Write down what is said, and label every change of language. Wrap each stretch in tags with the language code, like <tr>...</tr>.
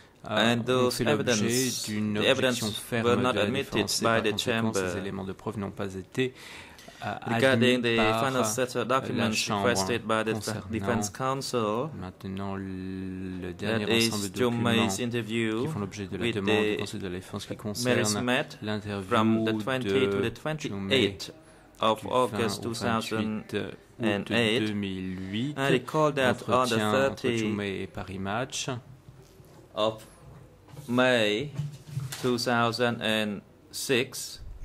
<en>and those evidence, the evidence were not admitted by the chamber.</en> <fr>Ces éléments de preuve n'ont pas été</fr> <en>regarding the final set of documents requested by the Defense Council.</en> <fr>Maintenant, le dernier ensemble de documents interview qui font l'objet de la demande du Conseil de la Défense qui concerne l'interview</fr> <en>from the 20 to the 28 of August 2008. I recall that on the 30th of May 2006,</en>